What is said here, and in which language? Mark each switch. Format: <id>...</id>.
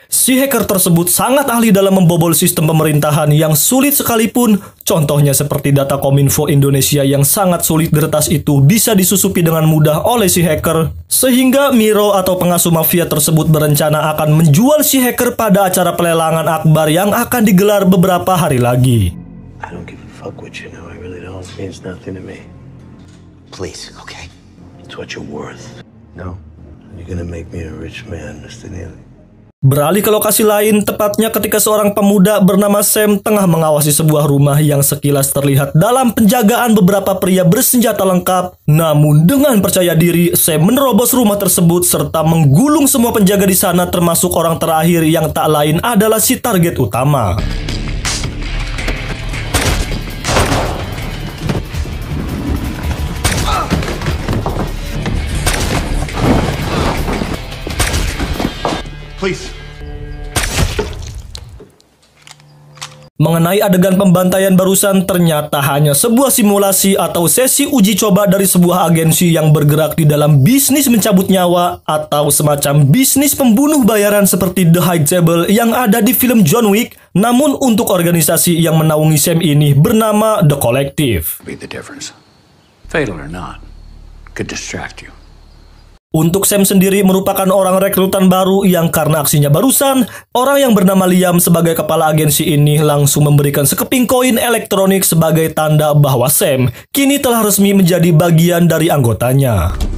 <id>Si hacker tersebut sangat ahli dalam membobol sistem pemerintahan yang sulit sekalipun, contohnya seperti data Kominfo Indonesia yang sangat sulit diretas itu bisa disusupi dengan mudah oleh si hacker, sehingga Miro atau pengasuh mafia tersebut berencana akan menjual si hacker pada acara pelelangan akbar yang akan digelar beberapa hari lagi.</id> <en>I don't give a fuck what you know. I really don't. It means nothing to me. Please, okay? It's what you're worth. No. You're gonna make me a rich man, Mr. Neely.</en> <id>Beralih ke lokasi lain, tepatnya ketika seorang pemuda bernama Sam tengah mengawasi sebuah rumah yang sekilas terlihat dalam penjagaan beberapa pria bersenjata lengkap. Namun dengan percaya diri, Sam menerobos rumah tersebut serta menggulung semua penjaga di sana termasuk orang terakhir yang tak lain adalah si target utama.</id> <en>Please.</en> <id>Mengenai adegan pembantaian barusan, ternyata hanya sebuah simulasi atau sesi uji coba dari sebuah agensi yang bergerak di dalam bisnis mencabut nyawa atau semacam bisnis pembunuh bayaran seperti The Hateable yang ada di film John Wick, namun untuk organisasi yang menaungi Sam ini bernama The Collective.</id> <en>The difference. Fatal or not, could distract you.</en> <id>Untuk Sam sendiri merupakan orang rekrutan baru yang karena aksinya barusan, orang yang bernama Liam sebagai kepala agensi ini langsung memberikan sekeping koin elektronik sebagai tanda bahwa Sam kini telah resmi menjadi bagian dari anggotanya.</id>